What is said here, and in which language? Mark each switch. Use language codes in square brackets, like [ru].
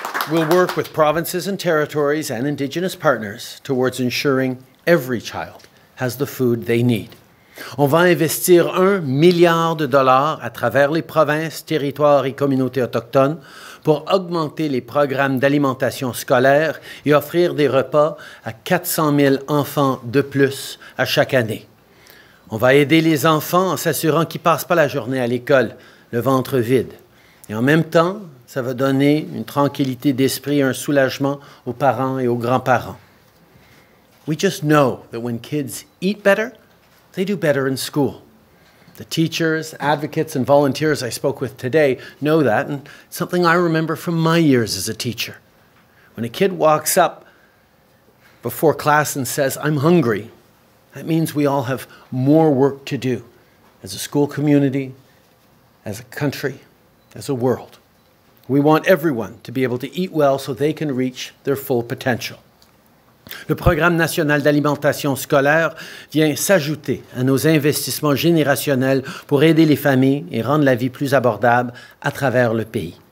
[en] We'll work with provinces and territories and Indigenous partners towards ensuring every child has the food they need. [fr] On va investir $1 billion à travers les provinces, territoires et communautés autochtones pour augmenter les programmes d'alimentation scolaire et offrir des repas à 400 000 enfants de plus à chaque année. On va aider les enfants en s'assurant qu'ils ne passent pas la journée à l'école, le ventre vide. Et en même temps, ça va donner une tranquillité d'esprit et un soulagement aux parents et aux grands-parents. [en] We just know that when kids eat better, they do better in school. The teachers, advocates, and volunteers I spoke with today know that, and something I remember from my years as a teacher. When a kid walks up before class and says, "I'm hungry," that means we all have more work to do as a school community, as a country, as a world. We want everyone to be able to eat well so they can reach their full potential. [fr] Le Programme national d'alimentation scolaire vient s'ajouter à nos investissements générationnels pour aider les familles et rendre la vie plus abordable à travers le pays.